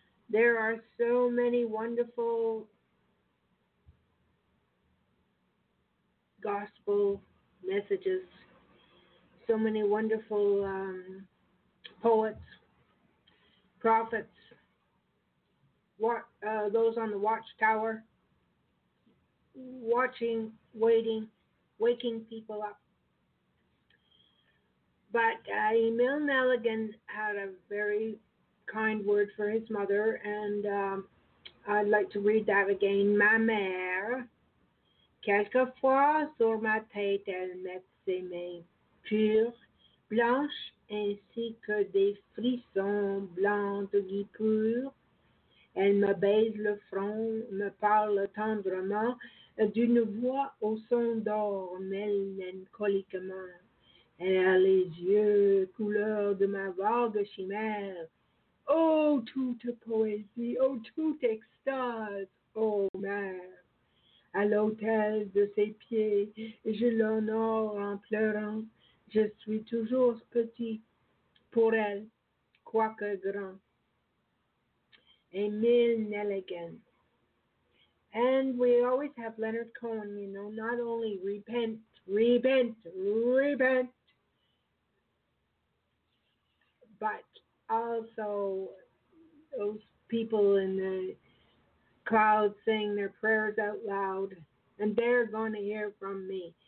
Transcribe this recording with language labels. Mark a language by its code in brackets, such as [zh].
[en] There are so many wonderful gospel messages, so many wonderful poets, prophets, those on the watchtower, watching, waiting, waking people up. But Emil Nelligan had a very kind word for his mother, and I'd like to read that again. [fr] Ma mère, quelquefois sur ma tête elle met ses mains pures, blanches, ainsi que des frissons blancs de gui pur. Elle me baise le front, me parle tendrement, d'une voix au son d'or mélancoliquement. Elle a les yeux couleur de ma vague chimère. Oh, toute poésie, oh, toute extase, oh, mère. À l'autel de ses pieds, je l'honore en pleurant. Je suis toujours petit pour elle, quoique grand. Emil Nelligan. [en] And we always have Leonard Cohen, you know, not only repent, repent, repent, but also those people in the crowd saying their prayers out loud, and they're going to hear from me.